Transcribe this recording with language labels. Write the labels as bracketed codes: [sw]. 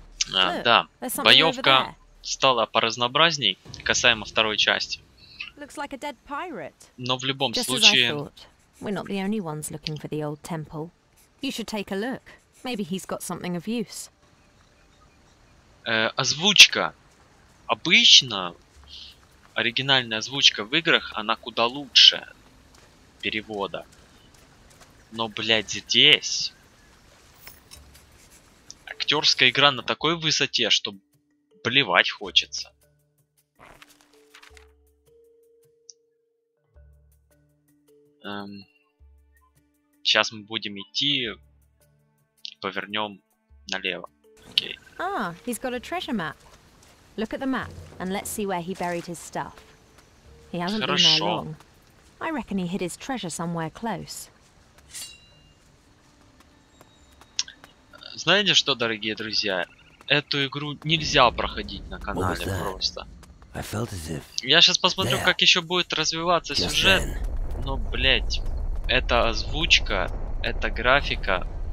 [ru] Да, боевка стала поразнообразней касаемо второй части. [en] Looks like a dead pirate. [ru] Но в любом случае. [en] We're not the only ones looking for the old temple. You should take a look. Maybe he's got something of use. [ru] Озвучка. Обычно оригинальная озвучка в играх, она куда лучше перевода. Но, блядь, здесь. Актерская игра на такой высоте, что блевать хочется. Сейчас мы будем идти, повернем налево. [en] Ah, he's got a treasure map. Look at the map and let's see where he buried his stuff. He hasn't been there long. I reckon he hid his treasure somewhere close. [ru] Знаете что, дорогие друзья? Эту игру нельзя проходить на канале просто. Я сейчас посмотрю, как еще будет развиваться сюжет. Но, блять, это озвучка, это графика.